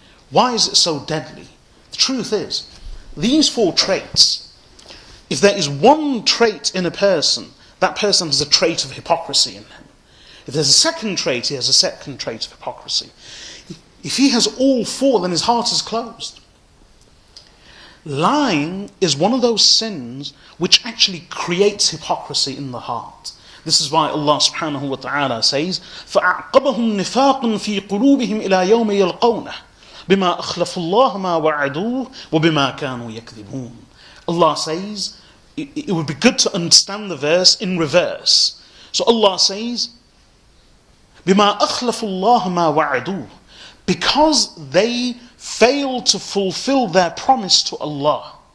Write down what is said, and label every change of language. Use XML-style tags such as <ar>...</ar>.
<en>Why is it so deadly? The truth is, these four traits, if there is one trait in a person, that person has a trait of hypocrisy in him. If there's a second trait, he has a second trait of hypocrisy. If he has all four, then his heart is closed. Lying is one of those sins which actually creates hypocrisy in the heart. This is why Allah subhanahu wa ta'ala says,</en> <ar>فَأَعْقَبَهُمْ نِفَاقٌ فِي قُلُوبِهِمْ إِلَىٰ يَوْمِ يَلْقَوْنَهُ بِمَا أَخْلَفُ اللَّهَ مَا وَعَدُوهُ وَبِمَا كَانُوا يَكْذِبُونَ.</ar> <en>Allah says, it would be good to understand the verse in reverse. So Allah says,</en> <ar>بِمَا أَخْلَفُ اللَّهَ مَا وَعَدُوهُ,</ar> <en>because they failed to fulfill their promise to Allah.</en>